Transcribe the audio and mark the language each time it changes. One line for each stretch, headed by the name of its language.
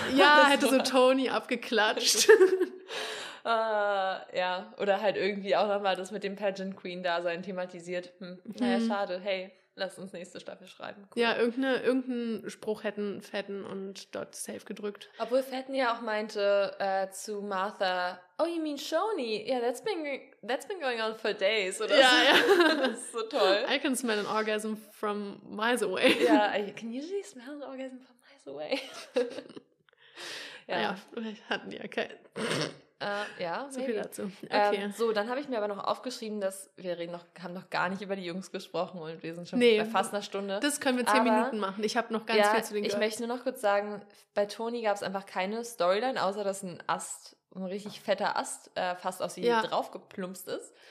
German: ja, hätte so Toni abgeklatscht. Ja, oder halt irgendwie auch nochmal das mit dem Pageant Queen Dasein thematisiert. Naja, schade. Hey, lass uns nächste Staffel schreiben. Cool. Ja, irgendeinen Spruch hätten Fetten und dort safe gedrückt. Obwohl Fetten ja auch meinte zu Martha,
English: oh, you mean Shoni? Yeah, that's been going on for days.
German: Oder ja, so. Ja. Das ist so toll.
English: I can smell an orgasm from miles away. Yeah, can you usually smell an orgasm from miles away?
German: Ja, vielleicht ja, hatten die ja keinen. Ja,
English: so maybe.
German: Viel dazu. Okay. So, dann habe ich mir aber noch aufgeschrieben, dass haben noch gar nicht über die Jungs gesprochen und wir sind schon bei fast einer Stunde. Das können wir 10 Minuten machen. Ich habe noch ganz viel zu den Girls. Ich möchte nur noch kurz sagen, bei Toni gab es einfach keine Storyline, außer dass ein richtig fetter Ast fast auf sie draufgeplumpst ist.